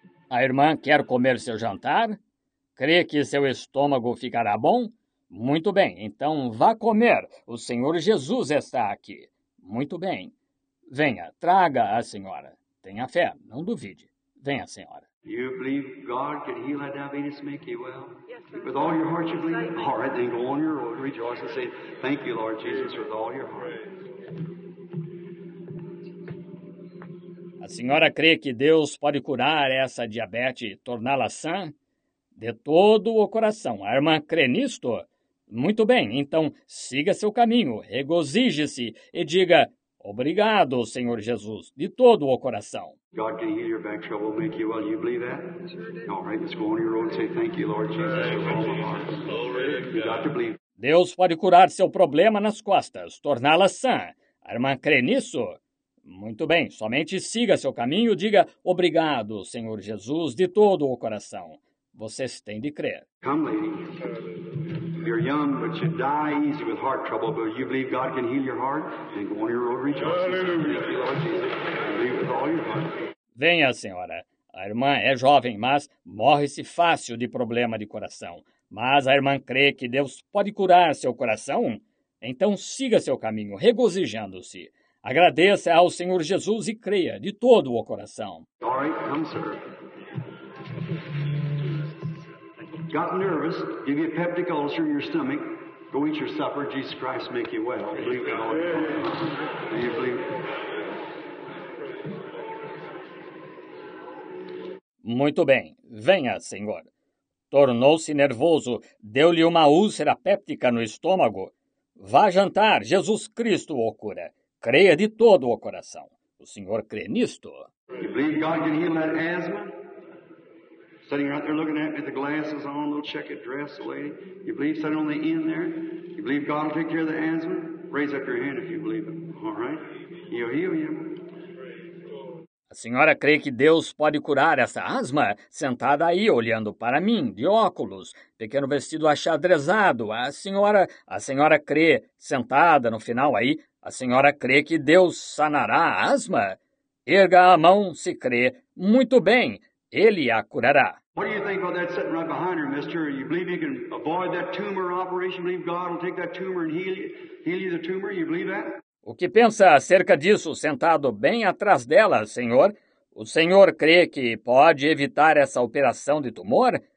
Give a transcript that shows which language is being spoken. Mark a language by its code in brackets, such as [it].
[pt] A irmã quer comer seu jantar? Crê que seu estômago ficará bom? Muito bem, então vá comer. O Senhor Jesus está aqui. Muito bem. Venha, traga a senhora. Tenha fé, não duvide. Venha, senhora. [en] You believe God can heal that diabetes, make you well? Yes, sir. With all your heart, you believe? Yes, all right, then go on your road. Rejoice and say, thank you, Lord Jesus, with all your heart. [pt] A senhora crê que Deus pode curar essa diabetes e torná-la sã? De todo o coração. A irmã crê nisto? Muito bem, então siga seu caminho, regozije-se e diga, obrigado, Senhor Jesus, de todo o coração. [en] God can heal your back trouble, make you well. You believe that? Sure. All right, let's go on your road and say thank you, Lord Jesus, with all my heart. Glory to God. You got to believe. [pt] Deus pode curar seu problema nas costas, torná-la sã. A irmã crê nisso? Muito bem, somente siga seu caminho e diga, obrigado, Senhor Jesus, de todo o coração. Vocês têm de crer. [en] Come, lady. You're young, but you die easy with heart trouble. But you believe God can heal your heart? Then go on your road, rejoice. Hallelujah. You, Lord Jesus, believe with all your heart. [pt] Venha, senhora. A irmã é jovem, mas morre-se fácil de problema de coração. Mas a irmã crê que Deus pode curar seu coração? Então siga seu caminho, regozijando-se. Agradeça ao Senhor Jesus e creia de todo o coração. [en] All right, come, sir. Got nervous, give you a peptic ulcer in your stomach, go eat your supper, Jesus Christ make you well. Believe God. Yeah. Do you believe? [pt] Muito bem. Venha, senhor. Tornou-se nervoso, deu-lhe uma úlcera péptica no estômago. Vá jantar, Jesus Cristo o cura. Creia de todo o coração. O senhor crê nisto? [en] You believe God can heal that asthma? Sitting right there looking at me, the glasses on, little checkered dress, lady. You believe sitting on the end there? You believe God will take care of the asthma? Raise up your hand if you believe it. All right? He'll heal you. [pt] A senhora crê que Deus pode curar essa asma? Sentada aí, olhando para mim, de óculos, pequeno vestido achadrezado. A senhora crê, sentada no final aí, a senhora crê que Deus sanará a asma? Erga a mão, se crê. Muito bem, ele a curará. [en] What do you think about that sitting right behind her, mister? You believe you can avoid that tumor operation? Believe God will take that tumor and heal you the tumor? You believe that? [pt] O que pensa acerca disso, sentado bem atrás dela, senhor? O senhor crê que pode evitar essa operação de tumor?